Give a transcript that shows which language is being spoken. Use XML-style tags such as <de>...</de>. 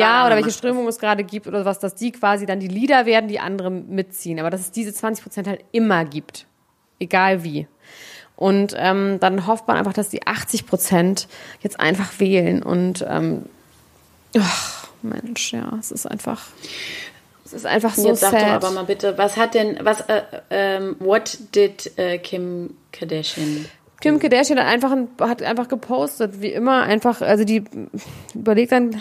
<de>ja, oder welche Strömung es gerade gibt oder was, dass die quasi dann die Leader werden, die andere mitziehen, aber dass es diese 20% halt immer gibt, egal wie. Und dann hofft man einfach, dass die 80% jetzt einfach wählen, und ach, Mensch, ja, es ist einfach, es ist einfach so. Jetzt sag</de> <en>sad.</en> <de>Doch aber mal bitte, was hat denn, was,</de> <en>what did Kim Kardashian do?</en> <de>Kim Kardashian hat einfach gepostet, wie immer, einfach, also die überlegt dann.</de>